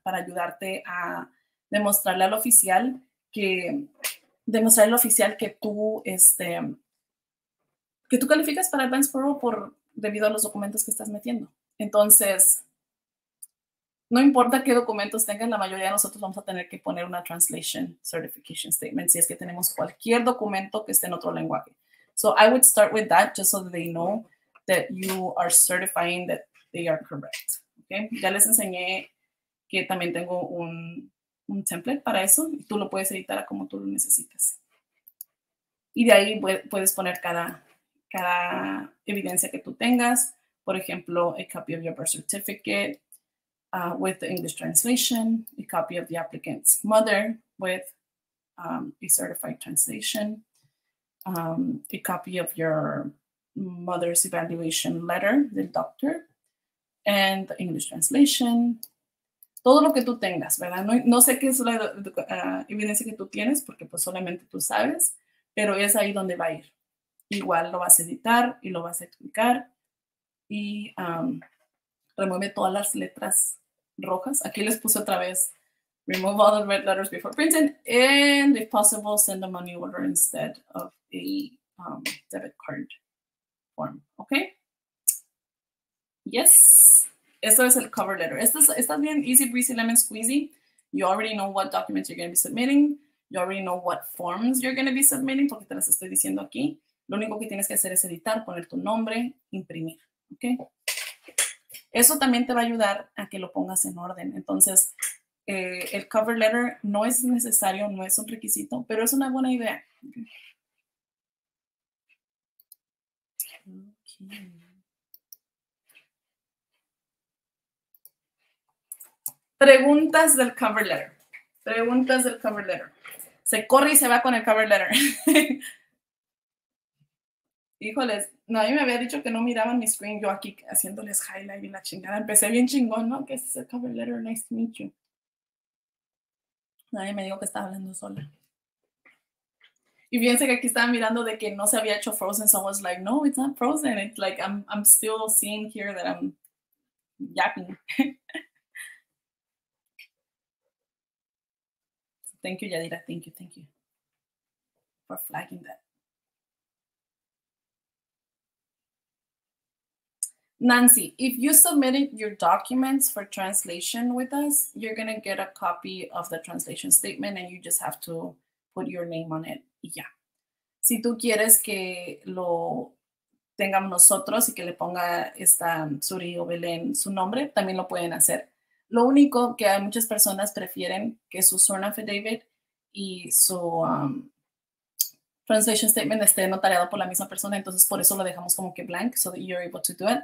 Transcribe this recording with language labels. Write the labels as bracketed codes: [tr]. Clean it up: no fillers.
[es] Para ayudarte a demostrarle al oficial que, que tú calificas para Advance Parole por debido a los documentos que estás metiendo. Entonces, no importa qué documentos tengas, la mayoría de nosotros vamos a tener que poner una Translation Certification Statement si es que tenemos cualquier documento que esté en otro lenguaje. [en] So I would start with that just so that they know that you are certifying that they are correct. Okay? [es] Ya les enseñé que también tengo un template para eso. Y tú lo puedes editar a como tú lo necesites. Y de ahí puedes poner cada evidencia que tú tengas. Por ejemplo, [en] a copy of your birth certificate with the English translation, a copy of the applicant's mother with a certified translation, a copy of your mother's evaluation letter, [es] del doctor, [en] and the English translation. [es] Todo lo que tú tengas, ¿verdad? No sé qué es la evidencia que tú tienes, porque pues solamente tú sabes, pero es ahí donde va a ir. Igual lo vas a editar y lo vas a explicar y remueve todas las letras rojas. Aquí les puse otra vez, [en] remove all the red letters before printing and if possible, send a money order instead of a debit card form, ¿ok? [es] Yes, esto es el cover letter. Esto es bien [en] easy breezy lemon squeezy. You already know what documents you're going to be submitting. You already know what forms you're going to be submitting [es] porque te las estoy diciendo aquí. Lo único que tienes que hacer es editar, poner tu nombre, imprimir, ¿ok? Eso también te va a ayudar a que lo pongas en orden. Entonces, el cover letter no es necesario, no es un requisito, pero es una buena idea. [en] Okay. [es] Preguntas del cover letter. Preguntas del cover letter. Se corre y se va con el cover letter. Híjoles, nadie me había dicho que no miraban mi screen, yo aquí haciéndoles highlight y la chingada. Empecé bien chingón, ¿no? Que es el cover letter, [en] nice to meet you. [es] Nadie me dijo que estaba hablando sola. Y fíjense que aquí estaba mirando de que no se había hecho frozen, [en] so I was like, no, it's not frozen. It's like, I'm still seeing here that I'm yapping. Thank you, Yadira, thank you. For flagging that. Nancy, if you submitted your documents for translation with us, you're going to get a copy of the translation statement and you just have to put your name on it. Yeah. [es] Si tú quieres que lo tengamos nosotros y que le ponga esta Suri o Belén su nombre, también lo pueden hacer. Lo único que hay muchas personas prefieren que su sworn affidavit y su translation statement esté notariado por la misma persona, entonces por eso lo dejamos como que blank, [en] so that you're able to do it.